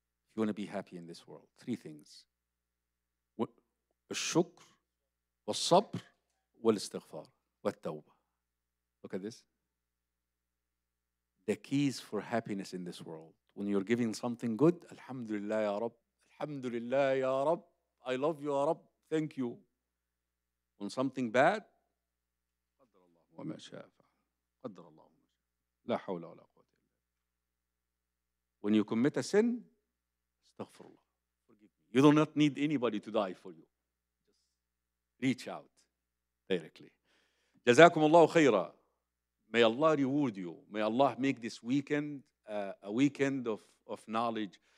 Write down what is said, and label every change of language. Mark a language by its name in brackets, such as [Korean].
[English] If you want to be happy in this world, three things. Al-shukr, al-sabr, wal-istighfar, wal-tawbah. Look at this. The keys for happiness in this world. When you're giving something good, alhamdulillah, ya Rabb. Alhamdulillah, ya Rabb. I love you, ya Rabb. Thank you. When something bad, [Arabic] قدر الله وما شاء فعل. قدر الله وما شاء. لا حول ولا قوة إلا بالله. [English] When you commit a sin, [Arabic] استغفر الله. [English] Forgive me. You do not need anybody to die for you. Reach out directly. [Arabic] جزاكم الله خيرا. [English] May Allah reward you. May Allah make this weekend a weekend of knowledge.